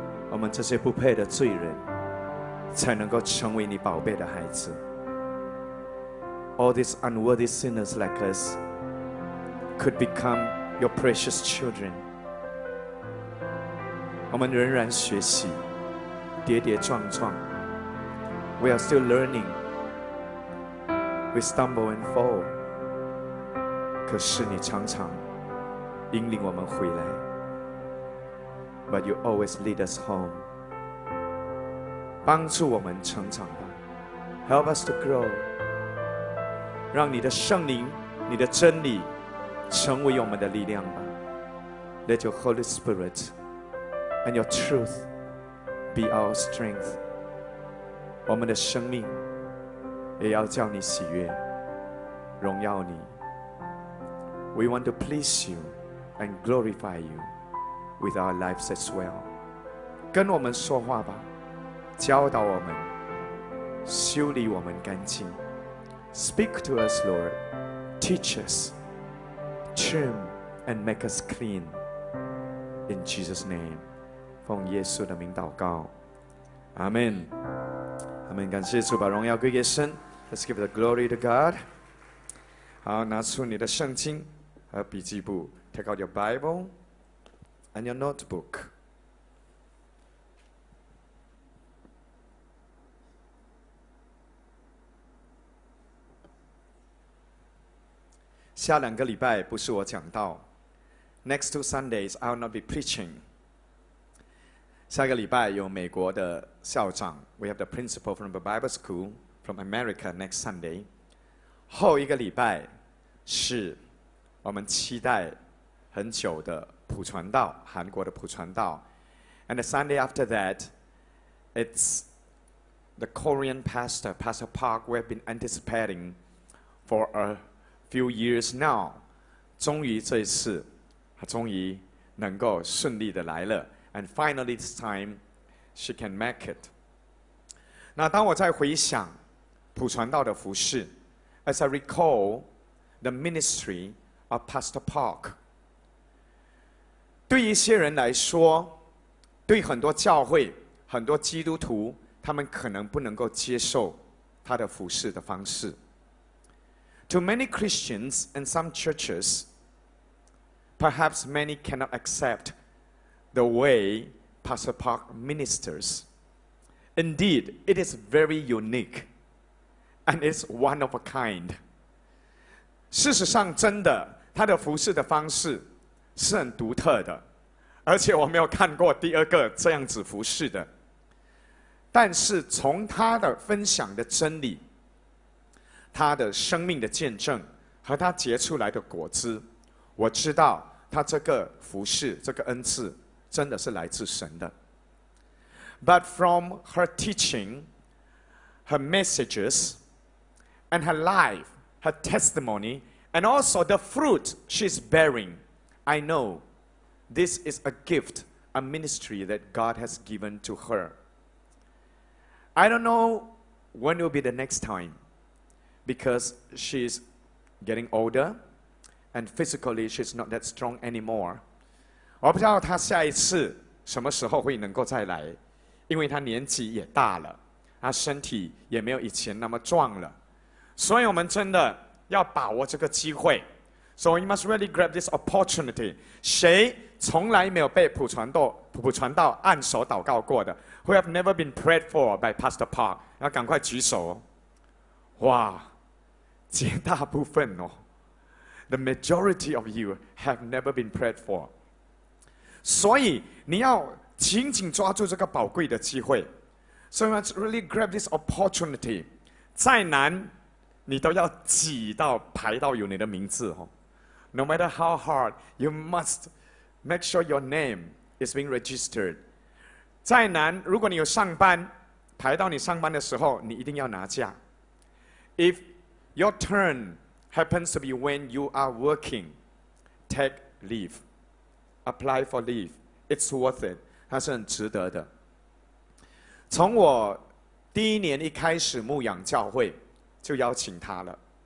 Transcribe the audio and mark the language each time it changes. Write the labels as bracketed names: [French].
[Chinese] 我们这些不配的罪人才能够成为你宝贝的孩子。 [English] All these unworthy sinners like us could become your precious children。 [Chinese] 我们仍然学习，跌跌撞撞， [English] We are still learning。 We stumble and fall。 [Chinese] 可是你常常引领我们回来， [English] But you always lead us home。 [Chinese] 帮助我们成长吧， [English] Help us to grow。 [Chinese] 让你的圣灵，你的真理成为我们的力量吧。 [English] Let your Holy Spirit and your truth be our strength。 [Chinese] 我们的生命也要叫你喜悦，荣耀你。 [English] We want to please you and glorify you with our lives as well。 [Chinese] 跟我们说话吧，教导我们，修理我们干净。 [English] Speak to us, Lord. Teach us. Trim and make us clean. In Jesus' name. [Chinese] 奉耶稣的名祷告。Amen. Amen. 感谢主，把荣耀归给神。 [English] Let's give the glory to God. [Chinese] 好，拿出你的圣经和笔记簿。 [English] Take out your Bible and your notebook. [Chinese] 下两个礼拜不是我讲道。 [English] Next two Sundays I will not be preaching。 [Chinese] 下个礼拜有美国的校长， [English] We have the principal from the Bible school from America next Sunday。 [Chinese] 后一个礼拜是我们期待很久的普传道，韩国的普传道。 [English] And the Sunday after that it's the Korean pastor, Pastor Park, we have been anticipating for afew years now， [Chinese] 终于这一次，他终于能够顺利的来了。 [English] And finally this time, she can make it。 [Chinese] 那当我在回想普传道的服事 ， [English] as I recall the ministry of Pastor Park， [Chinese] 对一些人来说，对很多教会、很多基督徒，他们可能不能够接受他的服事的方式。 [English] To many Christians and some churches, perhaps many cannot accept the way Pastor Park ministers. Indeed, it is very unique and it's one of a kind. [Chinese] 事实上真的，他的服事的方式是很独特的，而且我没有看过第二个这样子服事的。但是从他的分享的真理，他的生命的见证和他结出来的果子，我知道他这个服事这个恩赐真的是来自神的。 [English] But from her teaching, her messages and her life, her testimony and also the fruit she's bearing, I know this is a gift, a ministry that God has given to her. I don't know when will be the next timeBecause she's getting older and physically she's not that strong anymore. [Chinese] 我不知道她下一次什么时候会能够再来，因为她年纪也大了，她身体也没有以前那么壮了。所以我们真的要把握这个机会。 [English] So we must really grab this opportunity. [Chinese] 谁从来没有被普传道按手祷告过的？ [English] Who have never been prayed for by Pastor Park? [Chinese] 要赶快举手。哇，绝大部分哦， [English] The majority of you have never been prayed for。 [Chinese] 所以你要紧紧抓住这个宝贵的机会。 [English] So you must really grab this opportunity。 [Chinese] 再难你都要挤到排到有你的名字哦。 [English] No matter how hard, you must make sure your name is being registered。 [Chinese] 再难如果你有上班，排到你上班的时候你一定要拿假。 [English] If your turn happens to be when you are working, take leave. Apply for leave. It's worth it. [Chinese] 它是很值得的。从我第一年一开始牧养教会，就邀请他了。